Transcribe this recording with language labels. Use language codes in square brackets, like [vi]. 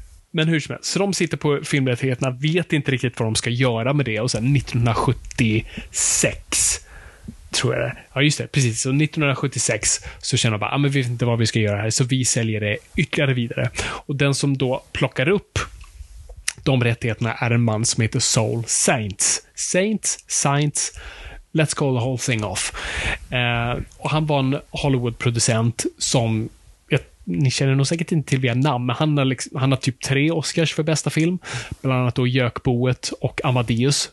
[sv] Men hur som helst, så de sitter på filmrättigheterna, vet inte riktigt vad de ska göra med det, och sen 1976 tror jag det. Ja, just det, precis. Så 1976 så känner man bara, ah, men vi vet inte vad vi ska göra här, så vi säljer det ytterligare vidare. Och den som då plockar upp de rättigheterna är en man som heter Saul Saints. [en] Saints, let's call the whole thing off. [sv] Och han var en Hollywood-producent som, ni känner nog säkert inte till via namn, men han har, han har typ 3 Oscars för bästa film, bland annat då Gökboet och Amadeus.